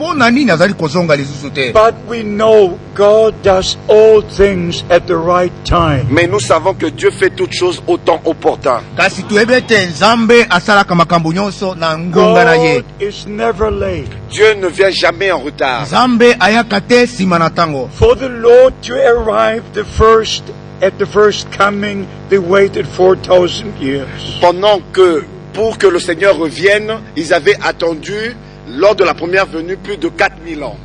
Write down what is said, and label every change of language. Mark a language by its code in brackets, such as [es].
[en] But we know God does all things at the right time. [fr] Mais nous savons que Dieu fait toutes choses au temps opportun. [en] God is never late. [fr] Dieu ne vient jamais en retard. [en] For the Lord to arrive the first at the first coming, they waited 4,000 years. [fr] Pendant que pour que le Seigneur revienne, ils avaient attendu Lors de la première venue, plus de 4000 ans.